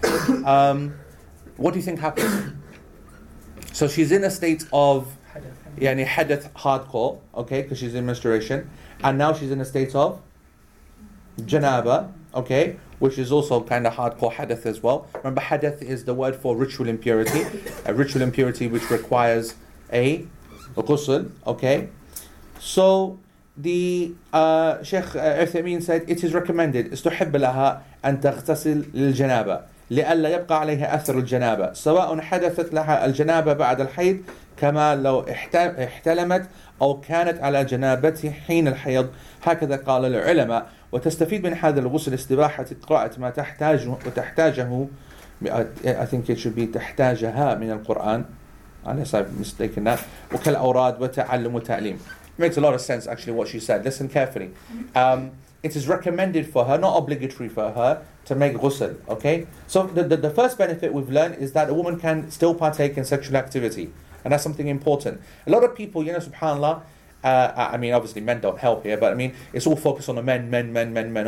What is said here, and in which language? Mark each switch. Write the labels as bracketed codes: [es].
[en] What do you think happens? So she's in a state of, yani hadith hardcore, okay, because she's in menstruation. And now she's in a state of janaba, okay, which is also kind of hardcore hadith as well. Remember, hadith is the word for ritual impurity, a ritual impurity which requires a ghusl, okay? So the Sheikh Uthaymeen said, it is recommended, [ar] استحب لها أن تغتسل للجنابة لألا يبقى عليها أثر الجنابة سواء حدثت لها الجنابة بعد الحيض كما لو احتلمت أو كانت على جنابتها حين الحيض هكذا قال العلماء وتستفيد من هذا الغسل استباحة قراءة ما تحتاجه وتحتاجه [en] I think it should be [ar] تحتاجها من القرآن [en] unless I'm mistaken that [ar] وكالأوراد وتعلم وتعليم. [en] It makes a lot of sense actually what she said. Listen carefully. It is recommended for her, not obligatory for her, to make ghusl, okay? So the first benefit we've learned is that a woman can still partake in sexual activity. And that's something important. A lot of people, you know, subhanAllah, I mean, obviously men don't help here, but I mean, it's all focused on the men.